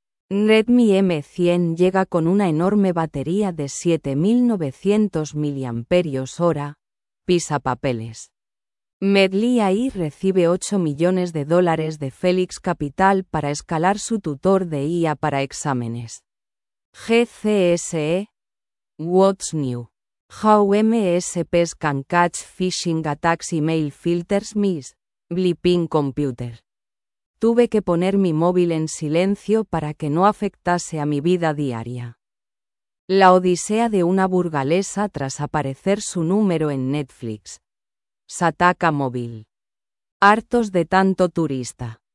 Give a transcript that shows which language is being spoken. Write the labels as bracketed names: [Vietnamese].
[Spanish] Redmi M100 llega con una enorme batería de 7.900 mAh. Pisa papeles. Medly AI recibe 8 millones de dólares de Félix Capital para escalar su tutor de IA para exámenes. [English] GCSE. What's new? How MSPs can catch phishing attacks email filters miss? Bleeping computer. [Spanish] Tuve que poner mi móvil en silencio para que no afectase a mi vida diaria. La odisea de una burgalesa tras aparecer su número en Netflix. Sataka móvil. Hartos de tanto turista.